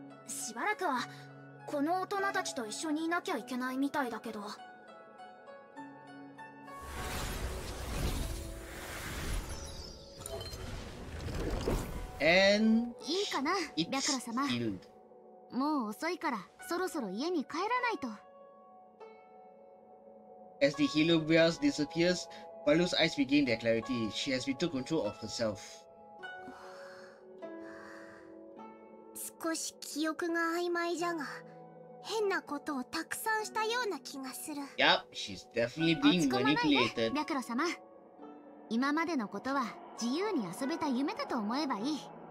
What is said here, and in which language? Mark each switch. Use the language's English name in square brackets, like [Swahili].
[Japanese] しばらくはこの大人たちと一緒にいなきゃいけないみたいだけど。 [English] And [Japanese] いいかな、ピャクロ様。もう遅いからそろそろ家に帰らないと。 [English] As the healer wears disappears, Balu's eyes regain their clarity. She has retook control of herself. [Japanese] 少し記憶が曖昧じゃが、変なことをたくさんしたような気がする。 [English] Yep, she's definitely being manipulated. [Japanese] 落ち込まないね、ミャクロ様。今までのことは自由に遊べた夢だと思えばいい。